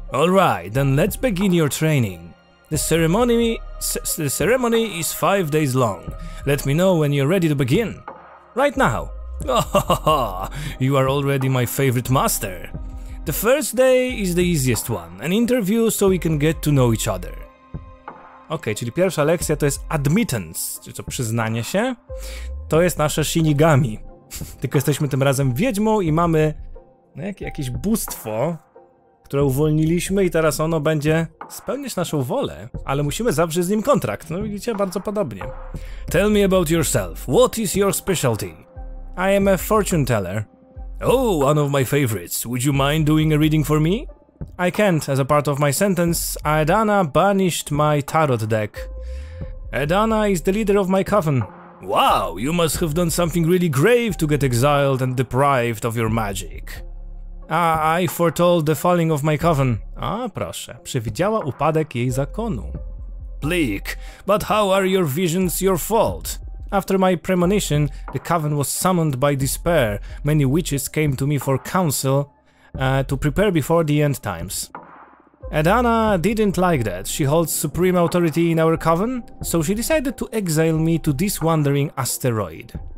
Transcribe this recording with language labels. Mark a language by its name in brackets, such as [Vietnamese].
[English] Alright, then let's begin your training. The ceremony is 5 days long. Let me know when you're ready to begin. Right now. Oh, you are already my favorite master. The first day is the easiest one. An interview so we can get to know each other. [Polish] Okay, czyli pierwsza lekcja to jest admittance, czyli to przyznanie się. To jest nasze Shinigami. Tylko jesteśmy tym razem wiedźmą i mamy jakieś bóstwo, które uwolniliśmy i teraz ono będzie spełniać naszą wolę, ale musimy zawrzeć z nim kontrakt. No widzicie, bardzo podobnie. [English] Tell me about yourself. What is your specialty? I am a fortune teller. Oh, one of my favorites. Would you mind doing a reading for me? I can't, as a part of my sentence, Adana banished my tarot deck. Adana is the leader of my coven. Wow, you must have done something really grave to get exiled and deprived of your magic. I foretold the falling of my coven. [Polish] A, proszę, przewidziała upadek jej zakonu. [English] Bleak, but how are your visions your fault? After my premonition, the coven was summoned by despair. Many witches came to me for counsel to prepare before the end times. Adana didn't like that. She holds supreme authority in our coven, so she decided to exile me to this wandering asteroid.